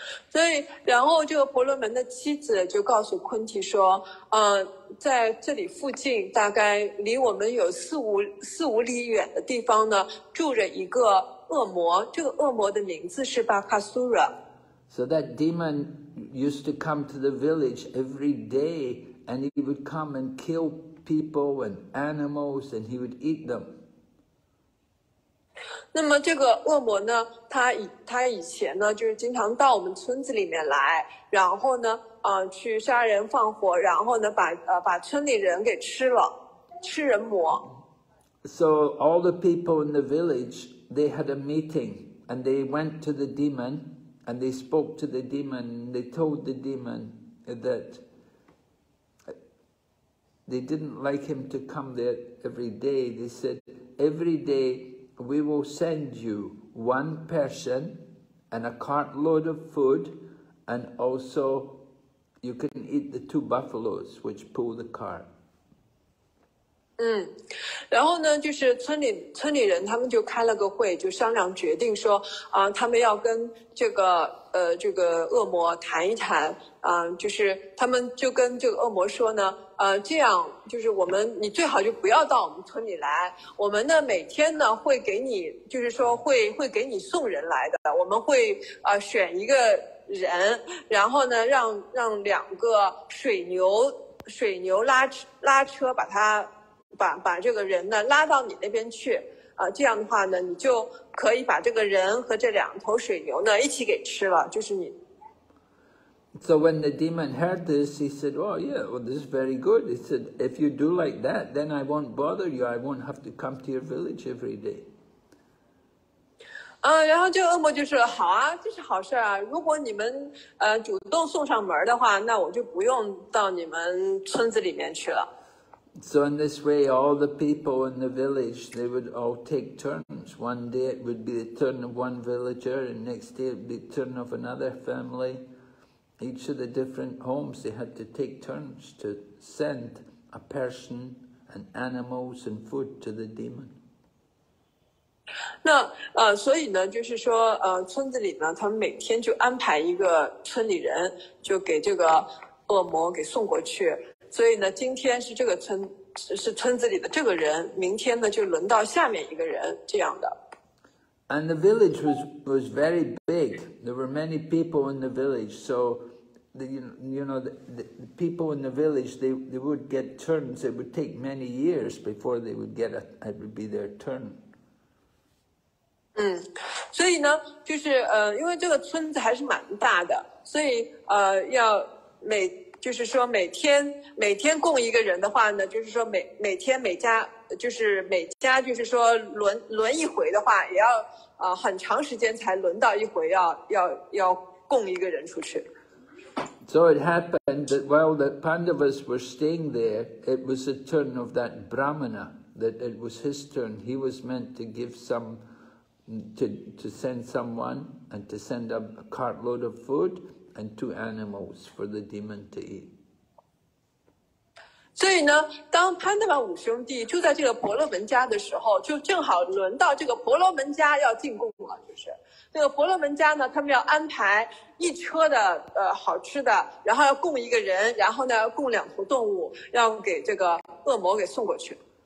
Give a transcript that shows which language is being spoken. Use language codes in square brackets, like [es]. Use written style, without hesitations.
[zh] 所以然后这个婆罗门的妻子就告诉昆提说，在这里附近大概离我们有四五里远的地方呢，住着一个恶魔，这个恶魔的名字是巴卡苏拉。 [en] So that demon used to come to the village every day, and he would come and kill people and animals, and he would eat them. [zh] 那么这个恶魔呢，他以前呢，就是经常到我们村子里面来，然后呢，去杀人放火，然后呢，把村里人给吃了，吃人魔。 [en] So all the people in the village, they had a meeting, and they went to the demon. And they spoke to the demon, and they told the demon that they didn't like him to come there every day. They said, every day we will send you one person and a cartload of food, and also you can eat the two buffaloes which pull the cart. [zh] 然后呢，就是村里人他们就开了个会，就商量决定说，他们要跟这个恶魔谈一谈，就是他们就跟这个恶魔说呢，这样就是你最好就不要到我们村里来，我们呢每天呢会给你，就是说会给你送人来的，我们会选一个人，然后呢让两个水牛拉车把它。把这个人呢拉到你那边去，这样的话呢，你就可以把这个人和这两头水牛呢一起给吃了，就是你。 [en] So when the demon heard this, he said, "Oh yeah, well this is very good." He said, "If you do like that, then I won't bother you. I won't have to come to your village every day." [zh] 然后这个恶魔就说，好啊，这是好事啊。如果你们主动送上门的话，那我就不用到你们村子里面去了。 [en] So in this way, all the people in the village, they would all take turns. One day it would be the turn of one villager, and next day it would be the turn of another family. Each of the different homes, they had to take turns to send a person and animals and food to the demon. [zh] 那所以呢，就是说村子里呢，他们每天就安排一个村里人，就给这个恶魔给送过去。所以呢，今天是这个村，是村子里的这个人，明天呢就轮到下面一个人这样的。 [en] And the village was very big. There were many people in the village, so the people in the village they would get turns. It would take many years before they would get it would be their turn. [zh] 所以呢，就是因为这个村子还是蛮大的，所以要每。就是说每天供一个人的话呢，就是说每天每家就是每家就是说轮一回的话，也要很长时间才轮到一回要供一个人出去。 [en] So it happened that while the Pandavas were staying there, it was the turn of that Brahmana, that it was his turn. He was meant to give some to send someone and to send a cartload of food. And two animals for the demon to eat. [zh] 所以呢，当潘德玛五兄弟住在这个婆罗门家的时候，就正好轮到这个婆罗门家要进贡了。就是这个婆罗门家呢，他们要安排一车的好吃的，然后要供一个人，然后呢要供两头动物，要给这个恶魔给送过去。